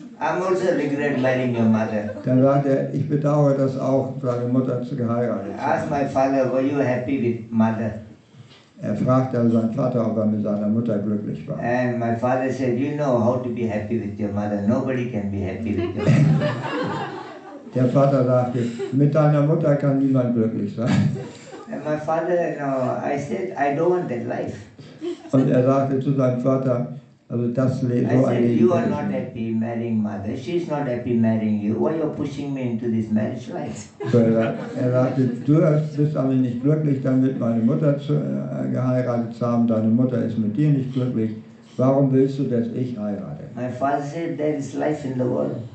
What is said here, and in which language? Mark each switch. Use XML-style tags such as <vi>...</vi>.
<en>I'm also regret marrying your mother.</en> <de>Dann sagt er, ich bedauere das auch, seine Mutter zu geheiratet.</de> <en>Ask my father, were you happy with mother?</en> <de>Er fragt dann seinen Vater, ob er mit seiner Mutter glücklich war.</de> <en>And my father said, you know how to be happy with your mother. Nobody can be happy with your mother.</en> <de>Der Vater sagte, mit deiner Mutter kann niemand glücklich sein.</de> <en>And my father, you know, I said, I don't want that life.</en> <de>Und er sagte zu seinem Vater, also das Leben.</de> <en>I said, you are not happy marrying mother. She is not happy marrying you. Why are you pushing me into this marriage life?</en> <de>Er sagte, du bist aber nicht glücklich, damit meine Mutter geheiratet zu haben. Deine Mutter ist mit dir nicht glücklich. Warum willst du, dass ich heirate?</de> <en>My father said, there is life in the world.</en>